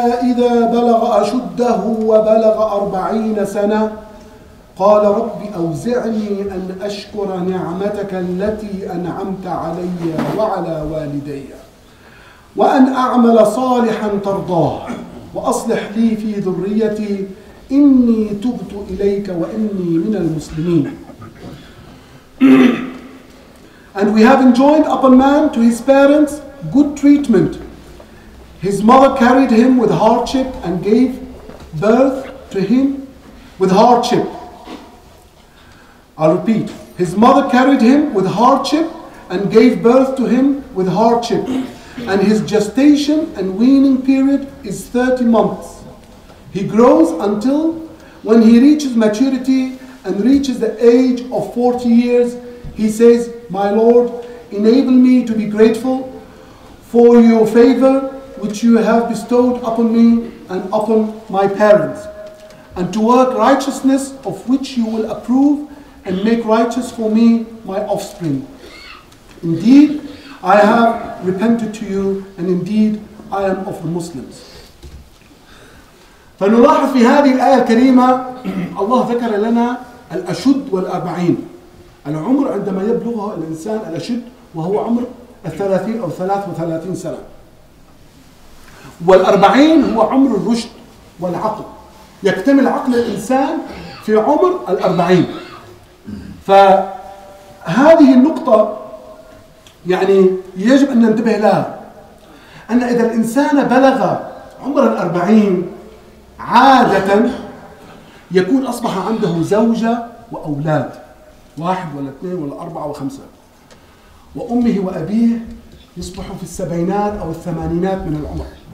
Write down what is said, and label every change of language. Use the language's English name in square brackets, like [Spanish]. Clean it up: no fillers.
[Arabic] إذا بلغ أشده وبلغ 40 سنة قال رب أوزعني أن أشكر نعمتك التي أنعمت علي وعلى والدي وأن أعمل صالحا ترضاه وأصلح لي في ذريتي إني تبت إليك وإني من المسلمين [English] And we have enjoined upon man to his parents good treatment. His mother carried him with hardship and gave birth to him with hardship. I'll repeat, his mother carried him with hardship and gave birth to him with hardship. And his gestation and weaning period is 30 months. He grows until When he reaches maturity and reaches the age of 40 years, he says, "My Lord, enable me to be grateful for your favor which you have bestowed upon me and upon my parents, and to work righteousness of which you will approve and make righteous for me my offspring. Indeed, I have repented to you, and indeed, I am of the Muslims." [Arabic] فنلاحظ في هذه الآية الكريمة الله ذكر لنا الأشد والأربعين العمر عندما يبلغه الإنسان الأشد وهو عمر الثلاثين أو 33 سنة والأربعين هو عمر الرشد والعقل يكتمل عقل الإنسان في عمر الأربعين فهذه النقطة يعني يجب أن ننتبه لها أن إذا الإنسان بلغ عمر الأربعين عادة يكون أصبح عنده زوجة وأولاد واحد ولا اثنين ولا أربعة وخمسة وأمه وأبيه يصبحوا في السبعينات أو الثمانينات من العمر